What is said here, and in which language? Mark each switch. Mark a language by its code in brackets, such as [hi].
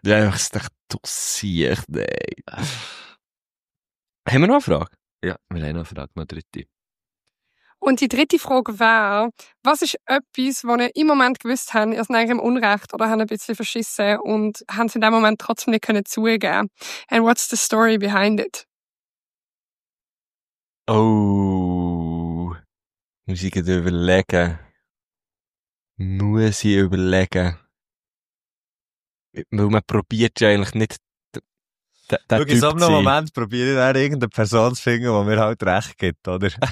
[de] Ja, ich dachte, du siehst, nein. Haben wir noch eine Frage? Ja, wir haben noch eine Frage, noch dritte. Und die dritte Frage wäre, was ist etwas, was ihr im Moment gewusst habt, ihr seid im Unrecht oder habt ein bisschen verschissen und habt es in dem Moment trotzdem nicht können zugeben? [en] And what's the story behind it? [de] Oh, muss ich gerade überlegen. Muss ich überlegen. Weil man probiert ja eigentlich nicht, der Typ zu sein. Schau, in so einem Moment probiere ich dann irgendeine Person zu finden, die mir halt recht gibt, oder?